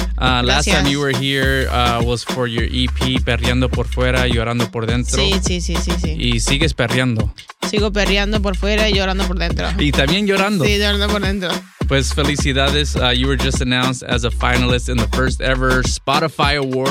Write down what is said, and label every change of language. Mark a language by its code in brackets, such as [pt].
[en] Last time you were here was for your EP, Perreando por Fuera, Llorando por Dentro. [es] Sí. Y sigues perreando. Sigo perreando por fuera y llorando por dentro. Y también llorando. Sí, llorando por dentro. Pues felicidades, [en] you were just announced as a finalist in the first ever Spotify Awards.